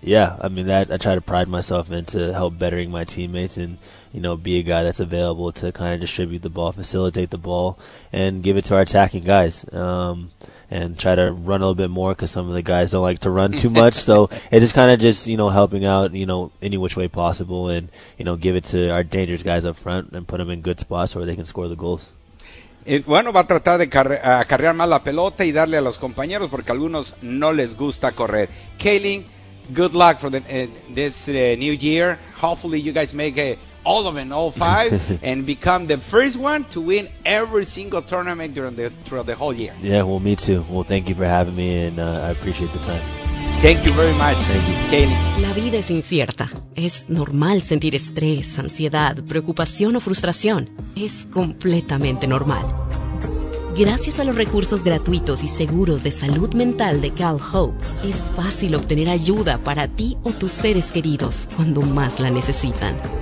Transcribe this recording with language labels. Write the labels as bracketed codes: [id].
[en] Yeah, I mean, that I try to pride myself into help bettering my teammates and, you know, be a guy that's available to kind of distribute the ball, facilitate the ball, and give it to our attacking guys. And try to run a little bit more because some of the guys don't like to run too much. So it is kind of just, you know, helping out, you know, any which way possible and, you know, give it to our dangerous guys up front and put them in good spots where they can score the goals. [es] Bueno, va a tratar de acarrear más la pelota y darle a los compañeros porque a algunos no les gusta correr. [en] Kaylin, good luck for this new year. Hopefully you guys make all of it, all five, and become the first one to win every single tournament throughout the whole year. Yeah, well, me too. Well, thank you for having me, and I appreciate the time. Thank you very much. Thank you. Kaylin. [es] La vida es incierta. Es normal sentir estrés, ansiedad, preocupación o frustración. Es completamente normal. Gracias a los recursos gratuitos y seguros de salud mental de CalHope, es fácil obtener ayuda para ti o tus seres queridos cuando más la necesitan.